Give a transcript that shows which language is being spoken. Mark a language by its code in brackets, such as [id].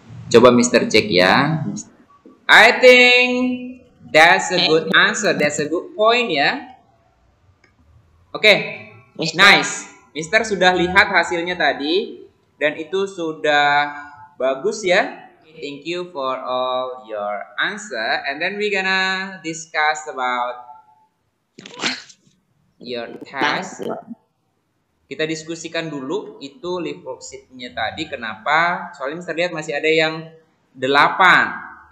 [id] Coba [en] Mr. Jack ya. I think that's a good answer. That's a good point ya. Oke. Okay. Nice. [id] Mister sudah lihat hasilnya tadi dan itu sudah bagus ya. [en] Thank you for all your answer, and then we gonna discuss about your task. [id] Kita diskusikan dulu itu live worksheet-nya tadi kenapa? Soalnya Mister lihat masih ada yang 8.